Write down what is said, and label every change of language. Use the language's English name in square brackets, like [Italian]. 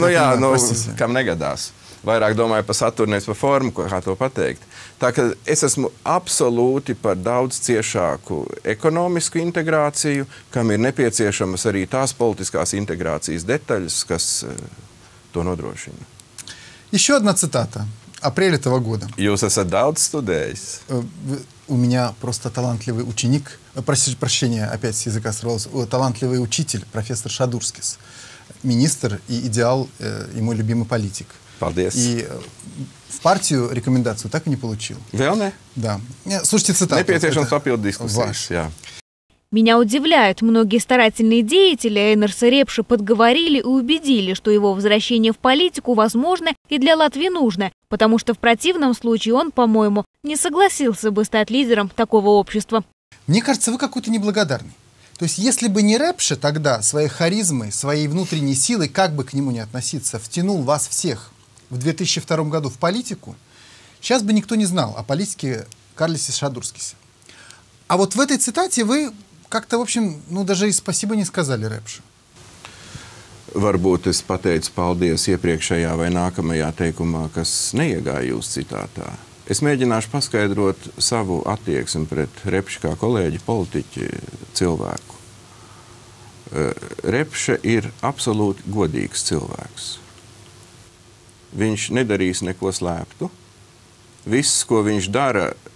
[Latvian] Nu jā, nu, kam negadās. Vairāk domāju par saturnu, nevis par formu, kā to pateikt. Tā ka es esmu absolūti par daudz ciešāku ekonomisku integrāciju, kam ir nepieciešamas arī tās politiskās integrācijas detaļas, kas to nodrošina. [Russian] Еще одна цитата. Апрель этого года. [Latvian] Jūs esat daudz studējis. [Russian] У меня просто талантливый ученик. Прощение, опять с языка сорвалось. Талантливый учитель, профессор Шадурскис. Министр и идеал, и мой любимый политик. [Latvian] Paldies. [Russian] И в партию рекомендацию так и не получил. Вел не? Да. Слушайте цитату. Не пейте, что он попил дискуссию. Ваш. Меня удивляют, многие старательные деятели Эйнерса Репши подговорили и убедили, что его возвращение в политику возможно и для Латвии нужно, потому что в противном случае он, по-моему, не согласился бы стать лидером такого общества. Мне кажется, вы какой-то неблагодарный. То есть, если бы не Репши, тогда своей харизмой, своей внутренней силой, как бы к нему ни относиться, втянул вас всех в 2002 году в политику, сейчас бы никто не знал о политике Карлисе Шадурскисе. А вот в этой цитате вы как-то, в общем, ну, даже и спасибо не сказали Репшу. [Latvian] Varbūt es pateicu paldies iepriekšējā vai nākamajā teikumā, kas neiegāja jūs citātā. Es mēģināšu paskaidrot savu attieksmi pret Repšu kā kolēģi, politiķi, cilvēku. Repša ir absolūti godīgs cilvēks. Viņš nedarīs neko slēptu. Viss, ko viņš dara